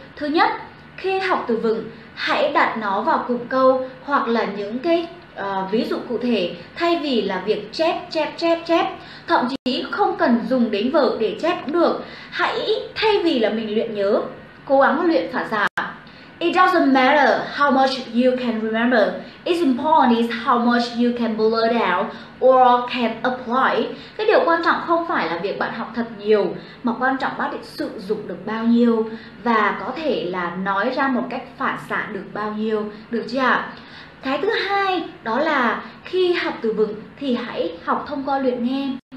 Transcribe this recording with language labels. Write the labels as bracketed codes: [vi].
[vi] Thứ nhất, khi học từ vựng, hãy đặt nó vào cụm câu hoặc là những cái ví dụ cụ thể, thay vì là việc chép. Thậm chí không cần dùng đến vở để chép cũng được. Hãy thay vì là mình luyện nhớ, cố gắng luyện phản xạ. [en] It doesn't matter how much you can remember. It's important is how much you can blurt out or can apply. [vi] Cái điều quan trọng không phải là việc bạn học thật nhiều, mà quan trọng bạn sử dụng được bao nhiêu và có thể là nói ra một cách phản xạ được bao nhiêu. Được chưa ạ? Cái thứ hai đó là khi học từ vựng thì hãy học thông qua luyện nghe.